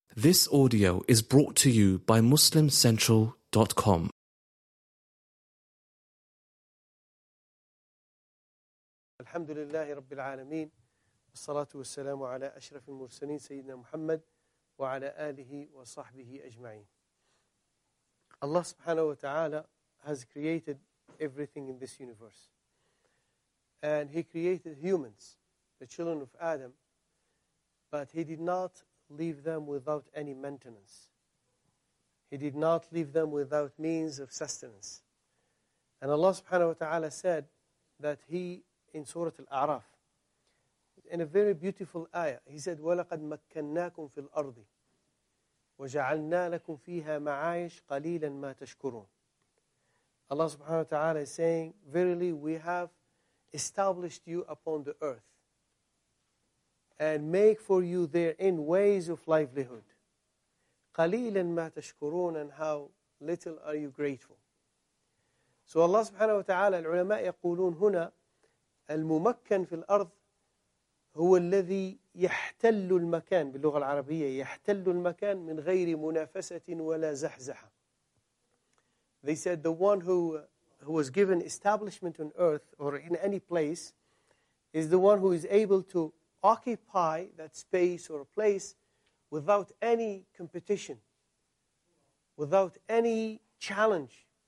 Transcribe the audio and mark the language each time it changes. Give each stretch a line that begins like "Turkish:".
English: This audio is brought to you by MuslimCentral.com.
Arabic: الحمد لله رب العالمين والصلاة والسلام على أشرف المرسلين سيدنا محمد وعلى آله وصحبه أجمعين.
English: Allah subhanahu wa ta'ala has created everything in this universe. And He created humans, the children of Adam, but He did not leave them without any maintenance. He did not leave them without means of sustenance. And Allah subhanahu wa ta'ala said that He, in Surah Al-A'raf, in a very beautiful ayah, He said,
Arabic: وَلَقَدْ مَكَّنَّاكُمْ فِي الْأَرْضِ وَجَعَلْنَا لَكُمْ فِيهَا مَعَايِشْ قَلِيلًا مَا تَشْكُرُونَ.
English: Allah subhanahu wa ta'ala is saying, verily we have established you upon the earth and make for you therein ways of livelihood.
Arabic: قَلِيلًا مَا تَشْكُرُونَ,
English: and how little are you grateful. So Allah subhanahu wa ta'ala,
Arabic: العلماء يقولون هنا, الممكن في الأرض هو الذي يحتل المكان, باللغة العربية يحتل المكان من غير منافسة ولا زحزحة.
English: They said the one who was given establishment on earth or in any place is the one who is able to occupy that space or place without any competition, without any challenge.